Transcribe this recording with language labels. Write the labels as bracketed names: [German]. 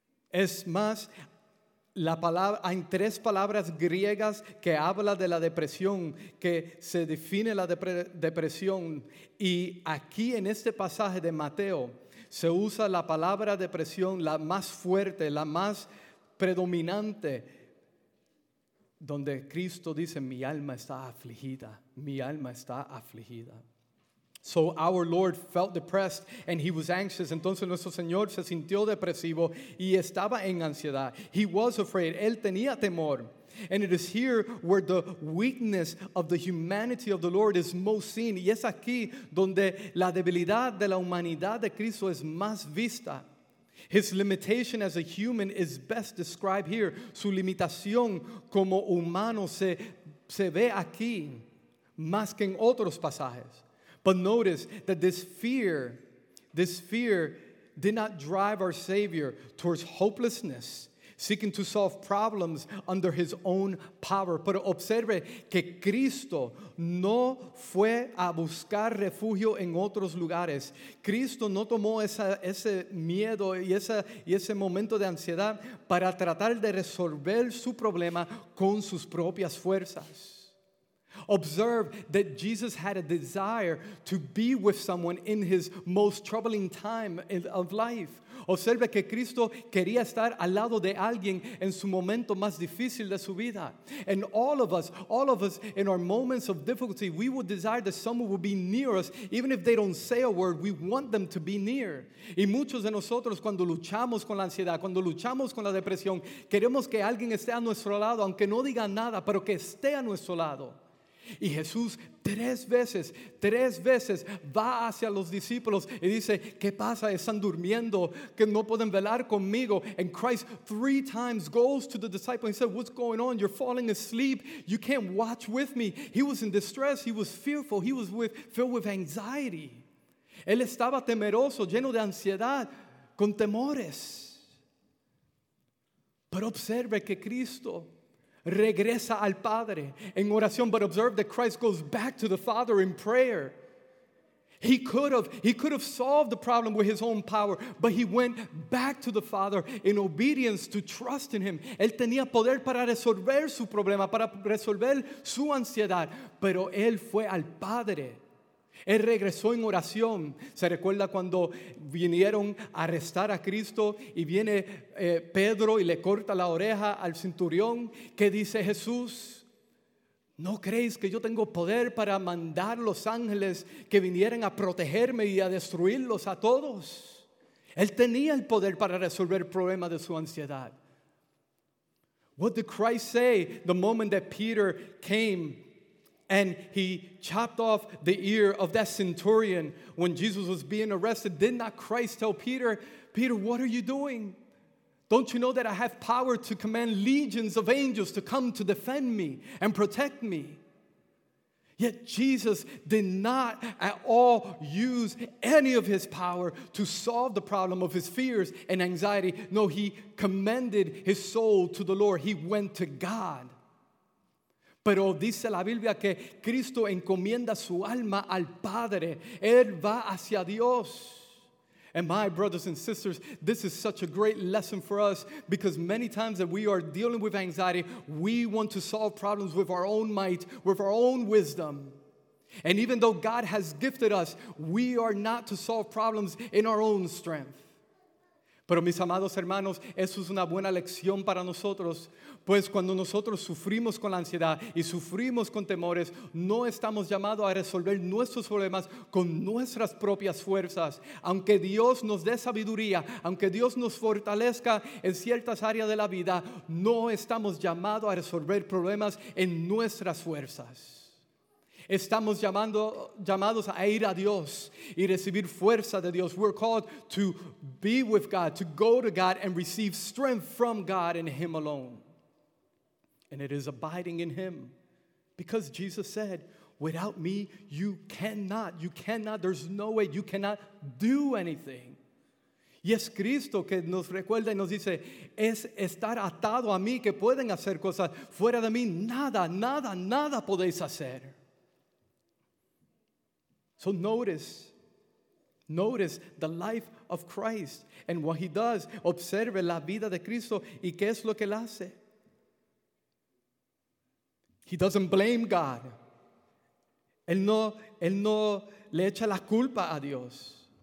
[Spanish] Es más, la palabra, hay tres palabras griegas que habla de la depresión, que se define la depresión. Y aquí en este pasaje de Mateo se usa la palabra depresión, la más fuerte, la más predominante, donde Cristo dice, mi alma está afligida, mi alma está afligida. [English] So our Lord felt depressed and he was anxious. [Spanish] Entonces nuestro Señor se sintió depresivo y estaba en ansiedad. [English] He was afraid. [Spanish] Él tenía temor. [English] And it is here where the weakness of the humanity of the Lord is most seen. [Spanish] Y es aquí donde la debilidad de la humanidad de Cristo es más vista. [English] His limitation as a human is best described here. [Spanish] Su limitación como humano se ve aquí más que en otros pasajes. [English] But notice that this fear did not drive our Savior towards hopelessness, seeking to solve problems under his own power. [Spanish] Pero observe que Cristo no fue a buscar refugio en otros lugares. Cristo no tomó ese miedo y ese momento de ansiedad para tratar de resolver su problema con sus propias fuerzas. [English] Observe that Jesus had a desire to be with someone in his most troubling time of life. [Spanish] Observe que Cristo quería estar al lado de alguien en su momento más difícil de su vida. [English] And all of us in our moments of difficulty, we would desire that someone would be near us, even if they don't say a word, we want them to be near. [Spanish] Y muchos de nosotros cuando luchamos con la ansiedad, cuando luchamos con la depresión, queremos que alguien esté a nuestro lado, aunque no diga nada, pero que esté a nuestro lado. Y Jesús tres veces va hacia los discípulos y dice, ¿qué pasa? Están durmiendo, que no pueden velar conmigo. [English] And Christ 3 times goes to the disciples and said, what's going on? You're falling asleep. You can't watch with me. He was in distress. He was fearful. He was filled with anxiety. [Spanish] Él estaba temeroso, lleno de ansiedad, con temores. Pero observe que Cristo regresa al Padre en oración. [English] But observe that Christ goes back to the Father in prayer. He could have solved the problem with his own power, but he went back to the Father in obedience to trust in him. [Spanish] Él tenía poder para resolver su problema, para resolver su ansiedad, pero él fue al Padre. Él regresó en oración. ¿Se recuerda cuando vinieron a arrestar a Cristo y viene Pedro y le corta la oreja al centurión? ¿Qué dice Jesús? ¿No creéis que yo tengo poder para mandar los ángeles que vinieran a protegerme y a destruirlos a todos? Él tenía el poder para resolver el problema de su ansiedad. [English] What did Christ say the moment that Peter came and he chopped off the ear of that centurion when Jesus was being arrested? Did not Christ tell Peter, what are you doing? Don't you know that I have power to command legions of angels to come to defend me and protect me? Yet Jesus did not at all use any of his power to solve the problem of his fears and anxiety. No, he commended his soul to the Lord. He went to God. [Spanish] Pero dice la Biblia que Cristo encomienda su alma al Padre. Él va hacia Dios. [English] And my brothers and sisters, this is such a great lesson for us, because many times that we are dealing with anxiety, we want to solve problems with our own might, with our own wisdom. And even though God has gifted us, we are not to solve problems in our own strength. [Spanish] Pero mis amados hermanos, eso es una buena lección para nosotros. Pues cuando nosotros sufrimos con la ansiedad y sufrimos con temores, no estamos llamados a resolver nuestros problemas con nuestras propias fuerzas. Aunque Dios nos dé sabiduría, aunque Dios nos fortalezca en ciertas áreas de la vida, no estamos llamados a resolver problemas en nuestras fuerzas. Estamos llamados a ir a Dios y recibir fuerza de Dios. [English] We're called to be with God, to go to God and receive strength from God and Him alone. And it is abiding in Him. Because Jesus said, without me, you cannot, there's no way, you cannot do anything. [Spanish] Y es Cristo que nos recuerda y nos dice, es estar atado a mí que pueden hacer cosas. Fuera de mí, nada podéis hacer. [English] So notice the life of Christ and what he does. [Spanish] Observe la vida de Cristo y qué es lo que él hace. [English] He doesn't blame God. [Spanish] Él no le echa la culpa a Dios.